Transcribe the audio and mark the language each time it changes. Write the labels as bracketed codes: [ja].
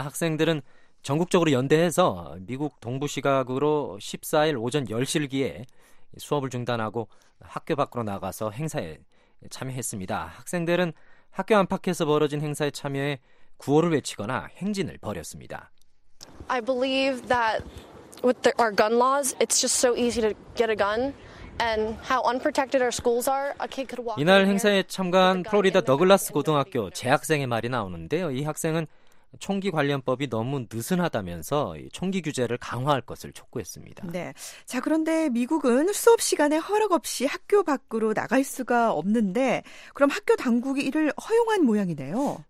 [ko] 학생들은 전국적으로 연대해서 미국 동부 시각으로 14일 오전 10시를 기해 수업을 중단하고 학교 밖으로 나가서 행사에 참여했습니다. 학생들은 학교 안팎에서 벌어진 행사에 참여해 구호를 외치거나 행진을 벌였습니다. [en] I believe that with our gun laws, it's just so easy to get a gun and how unprotected our schools are. A kid could walk. [ko] 이날 행사에 참가한 플로리다 더글라스 고등학교 재학생의 말이 나오는데요. 이 학생은 총기 관련법이 너무 느슨하다면서 총기 규제를 강화할 것을 촉구했습니다. 네. 자, 그런데 미국은 수업 시간에 허락 없이 학교 밖으로 나갈 수가 없는데 그럼 학교 당국이 이를 허용한 모양이네요.